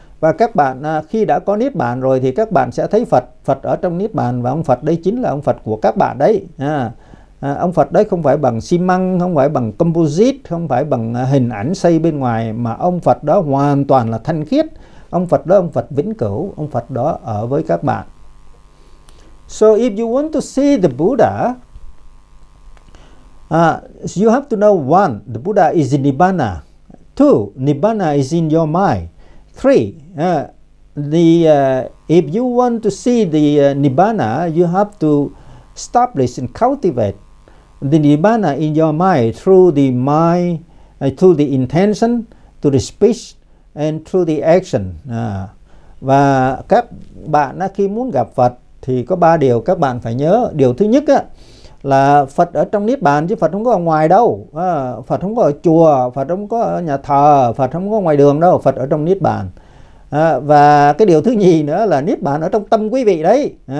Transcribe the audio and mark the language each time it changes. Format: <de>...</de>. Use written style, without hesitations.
<vi>Và các bạn khi đã có Niết bàn rồi thì các bạn sẽ thấy Phật ở trong Niết bàn, và ông Phật đấy chính là ông Phật của các bạn đấy. Ông Phật đấy không phải bằng xi măng, không phải bằng composite, không phải bằng hình ảnh xây bên ngoài, mà ông Phật đó hoàn toàn là thanh khiết. Ông Phật đó, ông Phật vĩnh cửu, ông Phật đó ở với các bạn.</vi> <en>So if you want to see the Buddha, you have to know one, the Buddha is in Nibbana. Two, Nibbana is in your mind. Three, if you want to see the Nibbana, you have to establish and cultivate the Nibbana in your mind through the mind, through the intention, through the speech, and through the action.</en> <vi>Và các bạn khi muốn gặp Phật thì có ba điều các bạn phải nhớ. Điều thứ nhất là Phật ở trong Niết Bàn chứ Phật không có ở ngoài đâu. Phật không có ở chùa, Phật không có ở nhà thờ, Phật không có ngoài đường đâu. Phật ở trong Niết Bàn. Và cái điều thứ nhì nữa là Niết Bàn ở trong tâm quý vị đấy.</vi>